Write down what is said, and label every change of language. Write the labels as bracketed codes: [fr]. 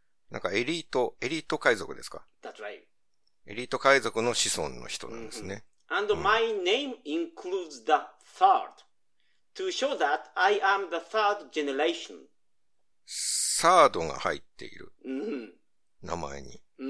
[ja] なんかエリート海賊ですか？ [en] That's right. [ja] エリート海賊の子孫の人なんですね。 [en] And うん。 my name includes the third to show that I am the third generation. [ja] サードが入っている名前に。